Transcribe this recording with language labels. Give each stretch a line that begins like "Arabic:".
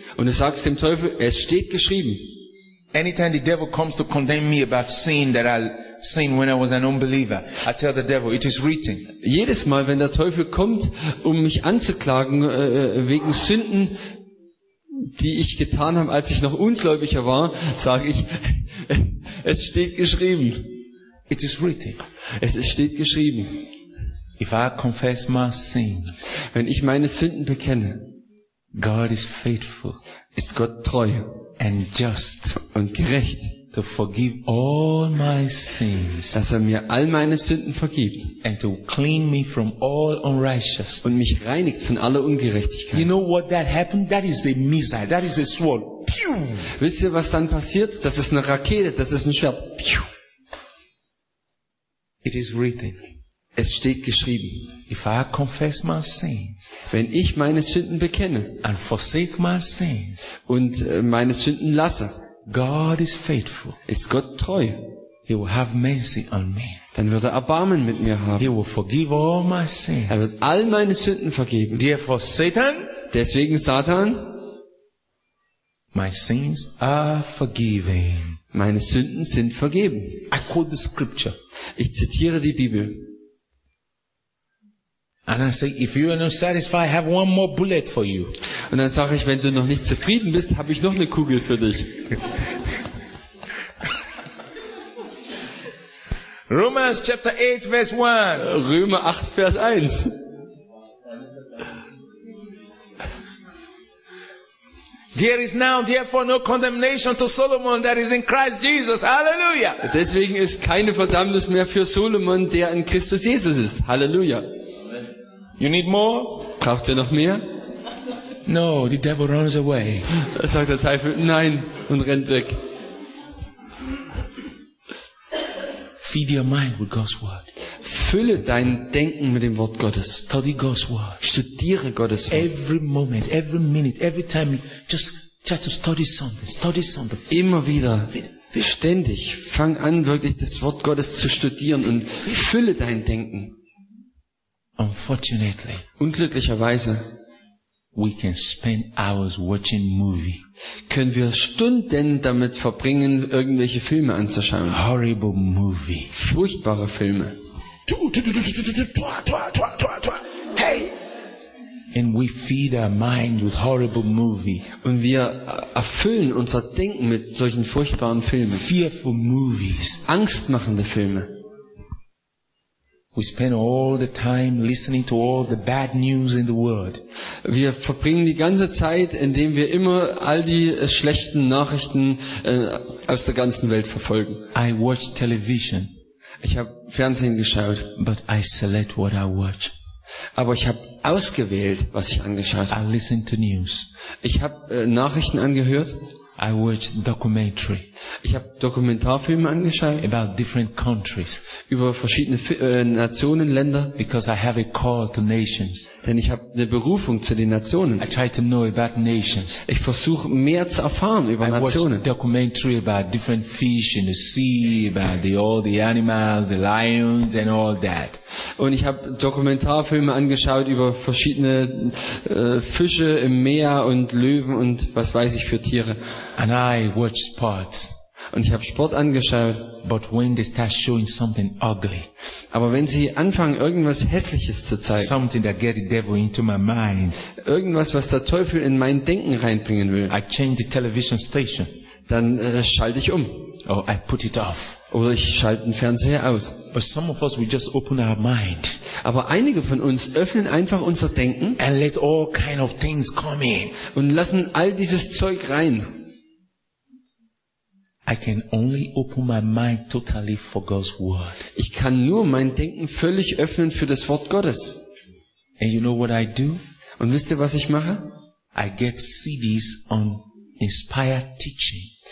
German: Und du sagst dem Teufel, es steht geschrieben.
English: Anytime the devil comes to condemn me about sin that I sinned when I was an unbeliever, I tell the devil, it is written.
German: Jedes Mal, wenn der Teufel kommt, um mich anzuklagen wegen Sünden, die ich getan habe, als ich noch Ungläubiger war, sage ich, es steht geschrieben.
English: It is written.
German: Es steht geschrieben.
English: If I confess my sin,
German: wenn ich meine Sünden bekenne,
English: God is faithful.
German: Ist Gott treu.
English: And just
German: und gerecht,
English: to forgive all my sins,
German: dass er mir all meine Sünden vergibt,
English: and to clean me from all unrighteousness,
German: und mich reinigt von aller Ungerechtigkeit.
English: You know what that happened? That is a missile. That is a sword. Pew!
German: Wisst ihr, was dann passiert? Das ist eine Rakete. Das ist ein Schwert. Pew!
English: It is written.
German: Es steht geschrieben.
English: If I confess my sins,
German: wenn ich meine Sünden bekenne
English: and forsake my sins,
German: und meine Sünden lasse,
English: God is faithful.
German: Ist Gott treu.
English: He will have mercy on me.
German: Dann wird er Erbarmen mit mir haben.
English: He will forgive all my sins.
German: Er wird all meine Sünden vergeben.
English: Therefore, Satan,
German: deswegen Satan,
English: my sins are forgiven.
German: Meine Sünden sind vergeben.
English: I quote the scripture.
German: Ich zitiere die Bibel.
English: And I say, if you are not satisfied, I have one more bullet for you.
German: Und dann sage ich, wenn du noch nicht zufrieden bist, habe ich noch eine Kugel für dich.
English: Romans chapter 8 verse 1.
German: Römer 8 Vers 1.
English: There is now therefore no condemnation to Solomon that is in Christ Jesus. Hallelujah.
German: Deswegen ist keine Verdammnis mehr für Solomon, der in Christus Jesus ist. Hallelujah.
English: You need more?
German: Braucht ihr noch mehr?
English: No, the devil runs away.
German: Sagt der Teufel, nein, und rennt weg.
English: Feed your mind with God's word.
German: Fülle dein Denken mit dem Wort Gottes.
English: Study God's word.
German: Studiere Gottes Wort.
English: Every moment, every minute, every time, just to study something. Study something.
German: Immer wieder, ständig, fang an, wirklich das Wort Gottes zu studieren und fülle dein Denken.
English: Unfortunately,
German: unglücklicherweise,
English: we can spend hours watching movie.
German: Können wir Stunden damit verbringen, irgendwelche Filme anzuschauen?
English: Horrible movie.
German: Furchtbare Filme. Hey.
English: And we feed our mind with horrible movie.
German: Und wir erfüllen unser Denken mit solchen furchtbaren Filmen.
English: Fearful movies.
German: Angstmachende Filme.
English: We spend all the time listening to all the bad news in the world.
German: Wir verbringen die ganze Zeit, indem wir immer all die schlechten Nachrichten aus der ganzen Welt verfolgen.
English: I watch television.
German: Ich habe Fernsehen geschaut,
English: but I select what I watch.
German: Aber ich habe ausgewählt, was ich angeschaut habe.
English: I listen to news.
German: Ich habe Nachrichten angehört.
English: I watch documentary.
German: Ich habe Dokumentarfilme angeschaut.
English: About different countries.
German: Über verschiedene Nationen, Länder.
English: Because I have a call to nations.
German: Denn ich habe eine Berufung zu den Nationen.
English: I try to know about nations.
German: Ich versuche mehr zu erfahren über Nationen.
English: I watch documentary about different fish in the sea, about all the animals, the lions and all that.
German: Und ich habe Dokumentarfilme angeschaut über verschiedene Fische im Meer und Löwen und was weiß ich für Tiere.
English: And I watch sports.
German: Und ich habe Sport angeschaut.
English: But when they start showing something ugly,
German: aber wenn sie anfangen, irgendwas Hässliches zu zeigen,
English: something that get the devil into my mind,
German: irgendwas, was der Teufel in mein Denken reinbringen will,
English: I change the television station.
German: Dann schalte ich um.
English: Or I put it off.
German: Oder ich schalte den Fernseher aus.
English: But some of us, we just open our mind.
German: Aber einige von uns öffnen einfach unser Denken
English: and let all kind of things come in.
German: Und lassen all dieses Zeug rein.
English: I can only open my mind totally for God's word.
German: Ich kann nur mein Denken völlig öffnen für das Wort Gottes.
English: And you know what I do?
German: Und wisst ihr, was ich mache?
English: I get CDs on inspired teaching.